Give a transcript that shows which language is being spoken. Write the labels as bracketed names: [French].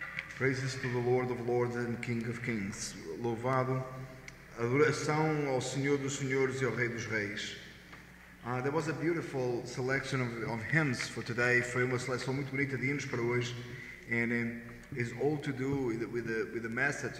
[English] Praises to the Lord of Lords and King of Kings. [Portuguese] Louvado, adoração ao Senhor dos Senhores e ao Rei dos Reis. [English] There was a beautiful selection of hymns for today. [Portuguese] Foi uma seleção muito bonita de hinos para hoje. [English] And it's all to do with the message.